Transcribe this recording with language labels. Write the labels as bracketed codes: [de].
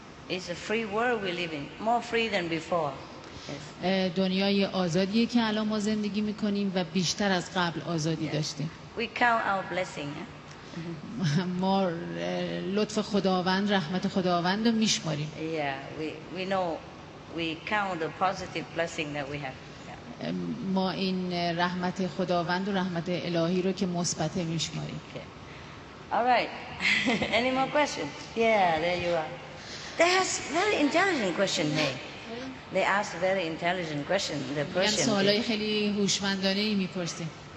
[en] It's a free world we live in. More free than before. [fa] دنیای آزادیه که الان ما زندگی میکنیم و بیشتر از قبل آزادی داشتیم. [en] We count our blessing. [fa] ما لطف خداوند، رحمت خداوند رو میشماریم. [en] Yeah, we know. We count the positive blessing that we have. [fa] ما این رحمت خداوند و رحمت الهی رو که مثبت میشماریم. [en] All right. Any more questions? Yeah, there you are. They ask very intelligent question. They ask very intelligent question. The person. [fa] یعنی سوالای خیلی هوشمندانه میپرسید.